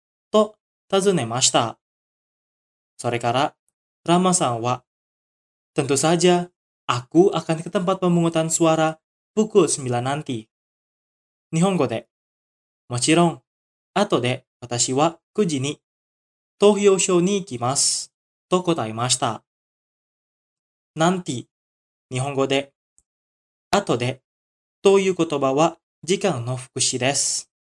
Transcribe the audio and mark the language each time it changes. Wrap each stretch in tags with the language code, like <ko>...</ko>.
<ja>と尋ねました。それから、ラマさんは、</ja> <id>Tentu saja、Aku akan ke tempat pemungutan suara pukul 9 nanti.</id> <ja>日本語で、もちろん、後で私は9時に投票所に行きます。と答えました。なんて、日本語で、後で、という言葉は時間の副詞です。</ja>